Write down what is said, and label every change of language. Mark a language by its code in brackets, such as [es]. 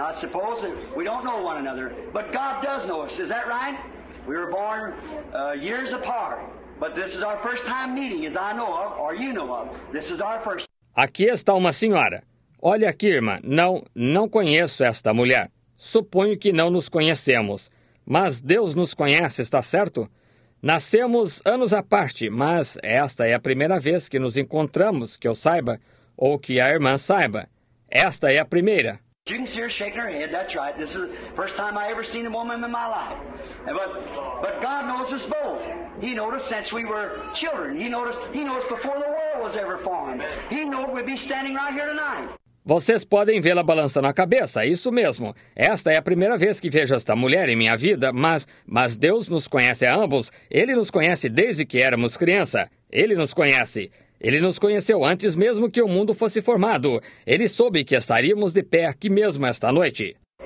[en] I suppose we don't know one another. But God does know us. Is that right? We were born years apart. But this is our first time meeting, as I know of, or you know of. This is our first. [pt] Aqui está uma senhora. Olha aqui, irmã. Não conheço esta mulher. Suponho que não nos conhecemos. Mas Deus nos conhece, está certo? Nascemos anos à parte, mas esta é a primeira vez que nos encontramos, que eu saiba... Ou que a irmã saiba. Esta é a primeira. [en] You can see her shaking her head, that's right. This is the first time I ever seen a woman in my life. But God knows us both. He noticed since we were children. He knows before the world was ever formed. He knew we'd be standing right here tonight. [pt] Vocês podem vê-la balançando a cabeça, isso mesmo. Esta é a primeira vez que vejo esta mulher em minha vida, mas Deus nos conhece a ambos. Ele nos conhece desde que éramos criança. Ele nos conhece. Ele nos conheceu antes mesmo que o mundo fosse formado. Ele soube que estaríamos de pé aqui mesmo esta noite.